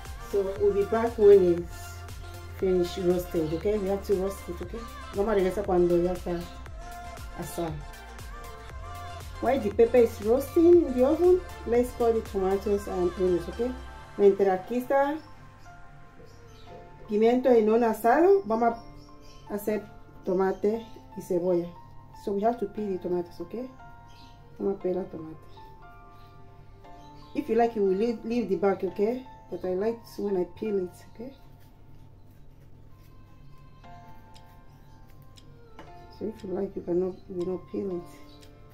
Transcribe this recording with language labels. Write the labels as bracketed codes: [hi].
[en] So we'll be back when it's finished roasted, okay? We have to roast it, okay? [es] Vamos a regresar cuando ya está asado. [en] While the pepper is roasting in the oven, let's pour the tomatoes and onions, okay? [es] Mientras aquí está pimiento en un asado, vamos a hacer tomate y cebolla. [en] So we have to peel the tomatoes, okay? [es] Vamos a pelar tomate. [en] If you like, you will leave the back, okay? But I like it when I peel it, okay? So if you like, you cannot peel it.